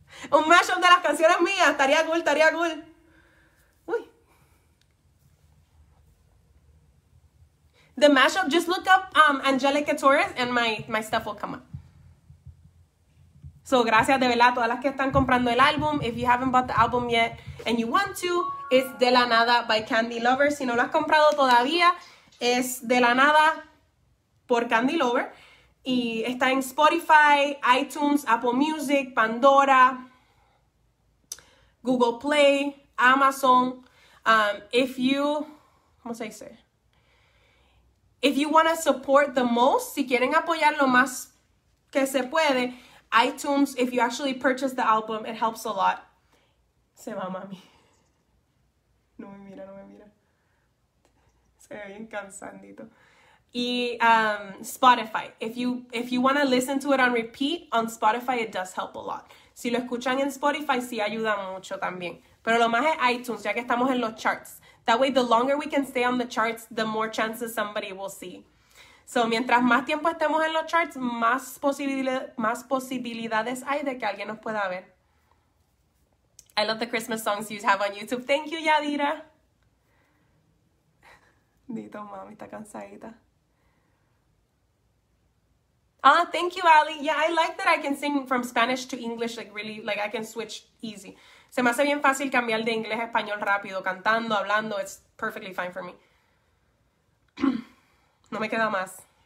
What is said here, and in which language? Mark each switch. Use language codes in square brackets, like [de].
[es] Un mashup de las canciones mías, estaría cool, estaría cool. Uy. [en] The mashup, just look up Angelica Torres and my stuff will come up. [es] So, gracias de verdad a todas las que están comprando el álbum. [en] If you haven't bought the album yet and you want to, it's De La Nada by Candy Lover. [es] Si no lo has comprado todavía, es De La Nada por Candy Lover. Y está en Spotify, iTunes, Apple Music, Pandora, Google Play, Amazon. [en] If you, [es] ¿cómo se dice? [en] If you want to support the most, [es] si quieren apoyar lo más que se puede, [en] iTunes, if you actually purchase the album, it helps a lot. [es] Se va, mami. No me mira, no me mira. Se ve bien cansandito. Y Spotify. [en] If you want to listen to it on repeat, on Spotify, it does help a lot. [es] Si lo escuchan en Spotify, sí ayuda mucho también. Pero lo más es iTunes, ya que estamos en los charts. [en] That way, the longer we can stay on the charts, the more chances somebody will see. [es] So, mientras más tiempo estemos en los charts, más posibilidades hay de que alguien nos pueda ver. [en] I love the Christmas songs you have on YouTube. Thank you, Yadira. [es] Dito, mami, está cansadita. [en] Ah, thank you, Ali. Yeah, I like that I can sing from Spanish to English, like really, like I can switch easy. [es] Se me hace bien fácil cambiar de inglés a español rápido, cantando, hablando. [en] It's perfectly fine for me. [es] No me queda más.